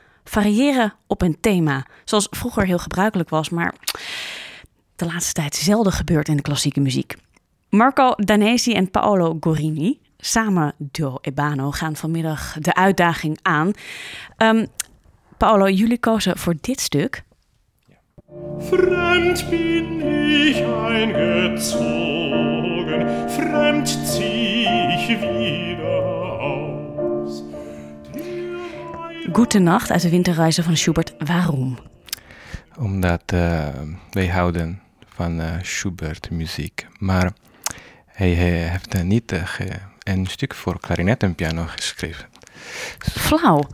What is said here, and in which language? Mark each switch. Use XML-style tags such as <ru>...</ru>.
<nl>Variëren op een thema, zoals vroeger heel gebruikelijk was, maar de laatste tijd zelden gebeurt in de klassieke muziek. Marco Danesi en Paolo Gorini, samen duo Ebano, gaan vanmiddag de uitdaging aan. Paolo, jullie kozen voor dit stuk.</nl> <de>Fremd bin ich eingezogen, fremd zieh ich wieder.</de> <nl>Goedenacht uit de Winterreizen van Schubert. Waarom? Omdat wij houden van Schubert muziek. Maar hij heeft niet een stuk voor klarinet en piano geschreven. Flauw.</nl>